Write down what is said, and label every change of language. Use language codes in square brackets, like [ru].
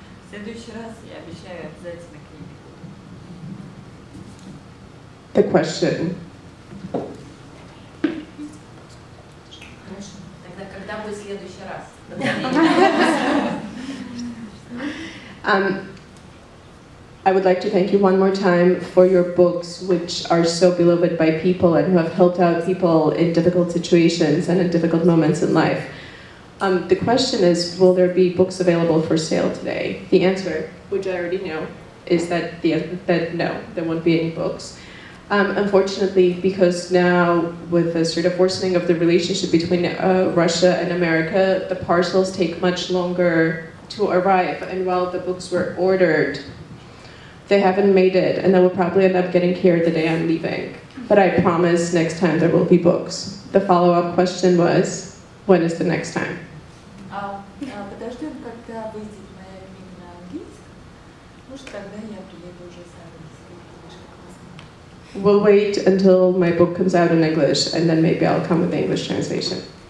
[ru] следующий раз я обещаю обязательно книги. [en] The question. [ru] Тогда когда будет следующий раз? [en] I would like to thank you one more time for your books, which are so beloved by people and who have helped out people in difficult situations and in difficult moments in life. The question is, will there be books available for sale today? The answer, which I already know, is that no, there won't be any books. Unfortunately, because now with the sort of worsening of the relationship between Russia and America, the parcels take much longer to arrive, and while the books were ordered, they haven't made it, and they will probably end up getting here the day I'm leaving. But I promise next time there will be books. The follow-up question was, when is the next time? [ru] Подождем, когда выйдет моя книга на английском. Может, тогда я приеду уже с английским. [en] We'll wait until my book comes out in English, and then maybe I'll come with the English translation.